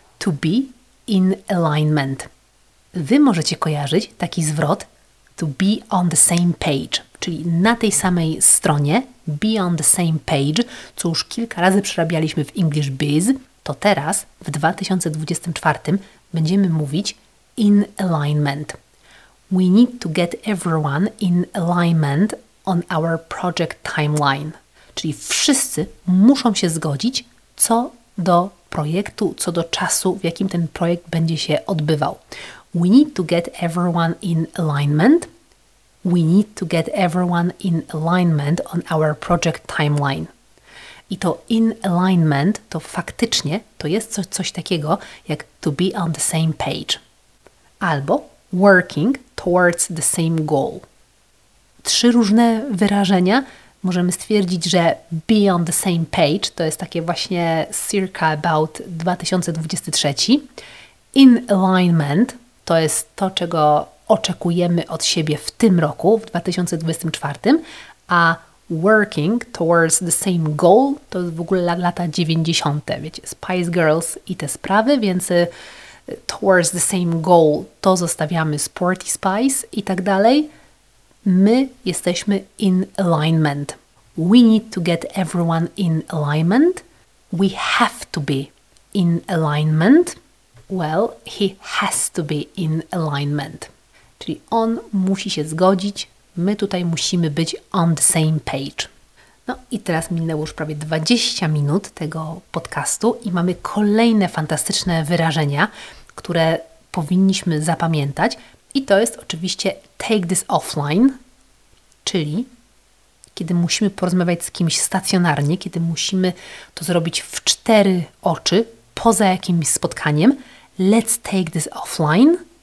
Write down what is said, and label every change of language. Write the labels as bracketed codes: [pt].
[en] To be in alignment. [pl] Wy możecie kojarzyć taki zwrot [en] to be on the same page, [pl] czyli na tej samej stronie, [en] be on the same page, [pl] co już kilka razy przerabialiśmy w English Biz, to teraz w 2024 będziemy mówić [en] in alignment. We need to get everyone in alignment on our project timeline. [pl] Czyli wszyscy muszą się zgodzić co do projektu, co do czasu, w jakim ten projekt będzie się odbywał. [en] We need to get everyone in alignment. We need to get everyone in alignment on our project timeline. [pl] I to [en] in alignment [pl] to faktycznie to jest coś takiego jak [en] to be on the same page. [pl] Albo [en] working towards the same goal. [pl] Trzy różne wyrażenia. Możemy stwierdzić, że [en] be on the same page [pl] to jest takie właśnie [en] circa about [pl] 2023. [en] In alignment [pl] to jest to, czego oczekujemy od siebie w tym roku, w 2024, a [en] working towards the same goal [pl] to jest w ogóle lata 90. Wiecie, Spice Girls i te sprawy, więc [en] towards the same goal [pl] to zostawiamy Sporty Spice i tak dalej. My jesteśmy [en] in alignment. We need to get everyone in alignment. We have to be in alignment. Well, he has to be in alignment. [pl] Czyli on musi się zgodzić, my tutaj musimy być [en] on the same page. [pl] No i teraz minęło już prawie 20 minut tego podcastu i mamy kolejne fantastyczne wyrażenia, które powinniśmy zapamiętać. I to jest oczywiście [en] take this offline, [pl] czyli kiedy musimy porozmawiać z kimś stacjonarnie, kiedy musimy to zrobić w cztery oczy, poza jakimś spotkaniem, [en] let's take this offline.